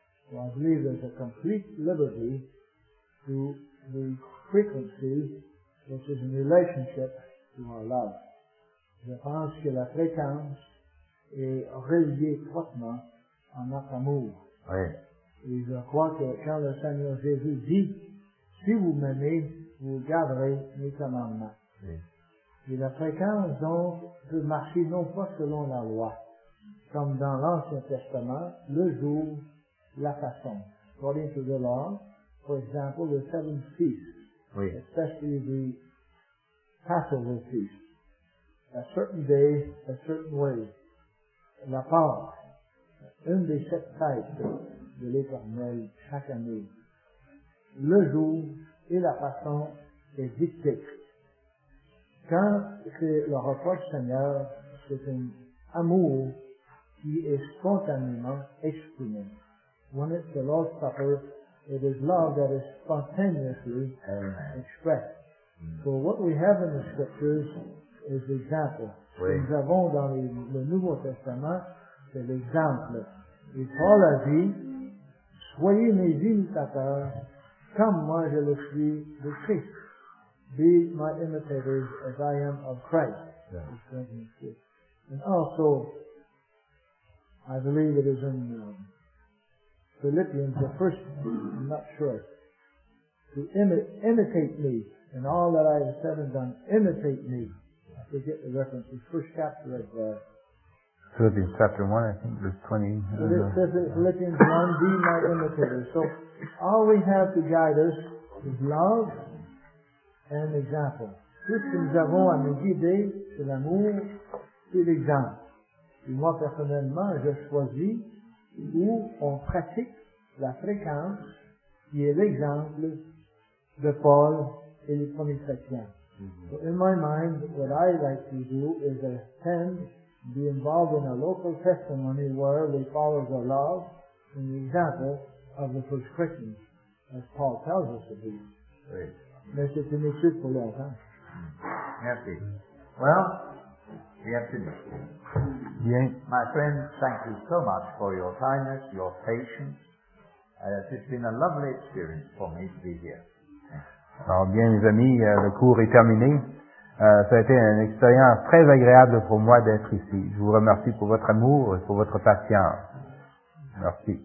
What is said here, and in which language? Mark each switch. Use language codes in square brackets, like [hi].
[en] So I believe there's a complete liberty to the frequency, which is in relationship to our love. [fr] Je pense que la fréquence est reliée étroitement à notre amour. Oui. Et je crois que quand le Seigneur Jésus dit, si vous m'aimez, vous garderez mes commandements. Oui. Et la fréquence, donc, peut marcher non pas selon la loi, comme dans l'Ancien Testament, le jour, la façon. [en] According to the law, for example, the seventh feast, [fr] oui. [en] Especially the Passover feast, a certain day, a certain way, [fr] la Pâque, une des 7 fêtes de l'Éternel chaque année, le jour et la façon est dictée. Quand c'est le repas du Seigneur, c'est un amour qui est spontanément exprimé. [en] When it's the Lord's Supper, it is love that is spontaneously expressed. So what we have in the Scriptures is the example. [fr] Oui. Nous avons dans le Nouveau Testament, c'est l'exemple. Et Paul a dit, soyez mes imitateurs, comme moi je le suis de Christ. [en] Be my imitators as I am of Christ. Yeah. And also, I believe it is in Philippians, the first, I'm not sure, to imitate me and all that I have said and done, imitate me. I forget the reference, the first chapter of Philippians chapter 1, I think, verse 20. Philippians 1, be my imitators. So, all we have to guide us is love. [fr] Un exemple. Tout ce que nous avons à nous guider, c'est l'amour et l'exemple. Et moi, personnellement, je choisis où on pratique la fréquence qui est l'exemple de Paul et les premiers chrétiens. Mm-hmm. [en] So in my mind, what I like to do is attend, be involved in a local testimony where they follow the love and the example of the first Christians, as Paul tells us to be. Right. [fr] Mais c'est une étude pour l'heure, hein? [en] Merci. Well, we have finished. [fr] Bien. [en] My friend, thank you so much for your kindness, your patience. It's been a lovely experience for me to be here. [fr] Alors bien, mes amis, le cours est terminé. Ça a été une expérience très agréable pour moi d'être ici. Je vous remercie pour votre amour et pour votre patience. Merci.